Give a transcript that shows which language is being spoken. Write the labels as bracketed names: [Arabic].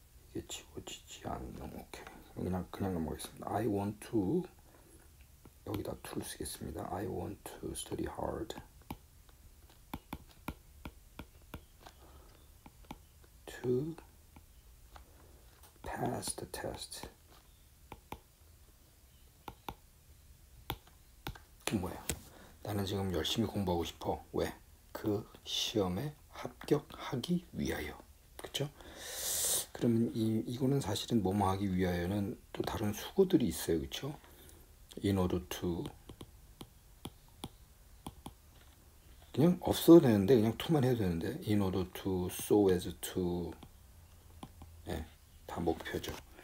[Korean] 이게 지워지지 않는, 오케이. 그냥 넘어가겠습니다. [English] I want to [Korean] 여기다 to 쓰겠습니다. [English] I want to study hard to pass the test. [Korean] 뭐야? 나는 지금 열심히 공부하고 싶어. 왜? 그 시험에 합격하기 위하여. 그쵸? 그러면 이거는 사실은 뭐뭐 하기 위하여는 또 다른 수고들이 있어요, 그렇죠? In order to 그냥 없어도 되는데 그냥 to만 해도 되는데 [English] In order to, so as to [Korean] 예, 다 목표죠.